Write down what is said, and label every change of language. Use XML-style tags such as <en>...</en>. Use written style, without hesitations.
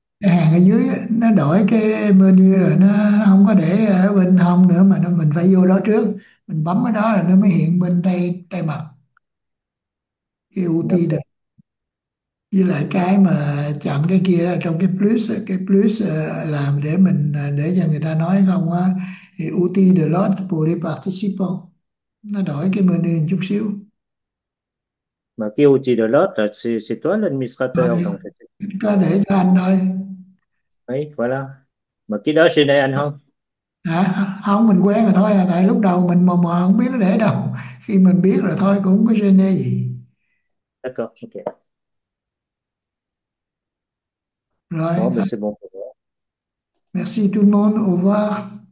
<vi>hàng ở dưới nó đổi cái menu rồi nó không có để ở bên hông nữa mà nó mình phải vô đó trước, mình bấm ở đó là nó mới hiện bên tay tay mặt cái UT được, với lại cái mà chọn cái kia là trong cái plus làm để mình để cho người ta nói không á thì UT delete</vi> <fr>pour les participants,</fr> <vi>nó đổi cái menu một chút xíu Mà cái</vi> <fr>outil de l'autre, c'est toi l'administrateur,</fr> <vi>rồi</vi> <fr>donc c'est</fr> <vi>có để cho anh thôi.</vi> <fr>oui, voilà.</fr> <vi>Mà cái đó chỉ để anh không? À, không mình quen rồi thôi à, tại lúc đầu mình mờ mờ không biết nó để đâu, khi mình biết rồi thôi cũng không có gêne gì.</vi> <fr>D'accord, ok.</fr> <vi>Rồi,</vi> <fr>Bon, mais c'est bon pour moi. merci tout le monde, au revoir.</fr>